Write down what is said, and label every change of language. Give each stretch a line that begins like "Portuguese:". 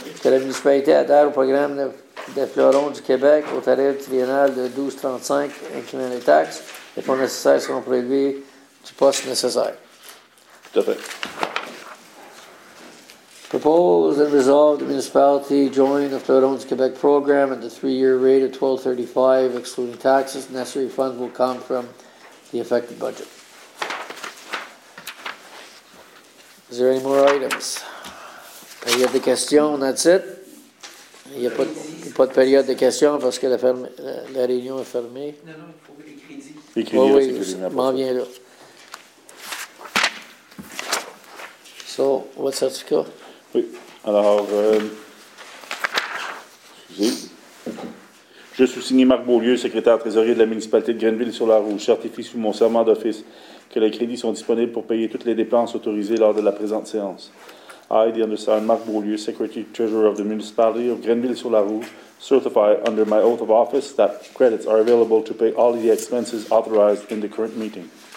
French: Que la municipalité adhère au programme de Fleuron du Québec au tarif triennal de 12,35 incluant les taxes. Les fonds nécessaires seront prélevés du poste nécessaire. Tout à fait.
English: Proposed and resolved, the municipality joined the Fleuron du Québec program at the 3-year rate of $1,235, excluding taxes. Necessary funds will come from the affected budget. Is there any more items?
French: Période de questions,
English: that's it.
French: Il n'y a pas de période de questions parce que la réunion est fermée. Non, il faut que les crédits. Les crédits, oh, oui, c'est que m'en viens là.
English: So, what's that score?
French: Oui. Alors, je suis signé Marc Beaulieu, secrétaire trésorier de la municipalité de Grenville-sur-la-Rouge. Certifie sous mon serment d'office que les crédits sont disponibles pour payer toutes les dépenses autorisées lors de la présente séance.
English: I, the undersigned Marc Beaulieu, secretary treasurer of the municipality of Grenville-sur-la-Rouge, certify under my oath of office that credits are available to pay all the expenses authorized in the current meeting.